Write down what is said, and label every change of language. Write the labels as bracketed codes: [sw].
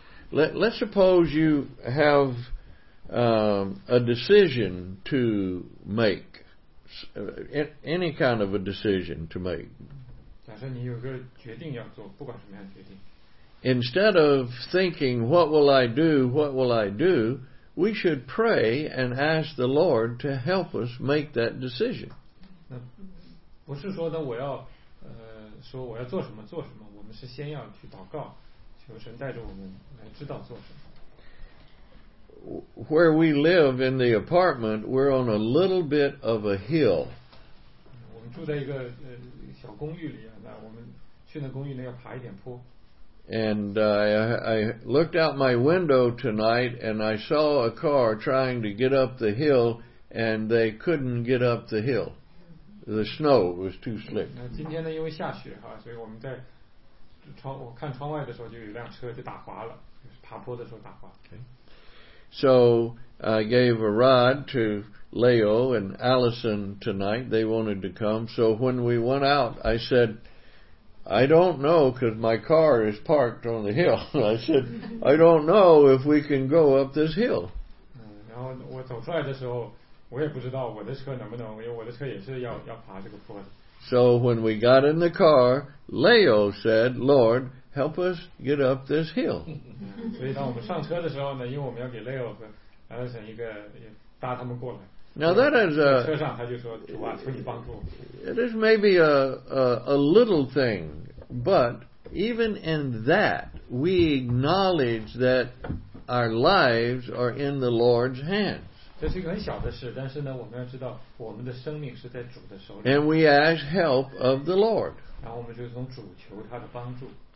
[en] Let's suppose you have a decision to make, any kind of a decision to make. [zh] 假设你有个决定要做，不管什么样的决定。 [en] Instead of thinking, what will I do, we should pray and ask the Lord to help us make that decision. [zh] 不是说我要做什么，我们是先要去祷告，求神带着我们来知道做什么。 [en] Where we live in the apartment, we're on a little bit of a hill. [zh] 我们住在一个小公寓里啊，那我们去那公寓呢要爬一点坡。 [en] And I looked out my window tonight and I saw a car trying to get up the hill and they couldn't get up the hill. The snow was too slick. [zh] 今天呢因为下雪哈，所以我们在我看窗外的时候就有一辆车就打滑了，就是爬坡的时候打滑。 [en] Okay. So I gave a ride to Leo and Allison tonight. They wanted to come. So when we went out, I said,I don't know because my car is parked on the hill. I said, I don't know if we can go up this hill. [zh] 然后我走出来的时候，我也不知道我的车能不能，因为我的车也是要爬这个坡的。 [en] So when we got in the car, Leo said, Lord, help us get up this hill. [zh] 所以当我们上车的时候呢，因为我们要给 Leo 和 Allison 一个搭他们过来。 [en] Now that is a. [zh] 车上他就说主啊，求你帮助。 [en] It is maybe a little thing, but even in that, we acknowledge that our lives are in the Lord's hands. [zh] 这是一个很小的事，但是呢，我们要知道我们的生命是在主的手里。 [en] And we ask help of the Lord. [zh] 然后我们就从主求他的帮助。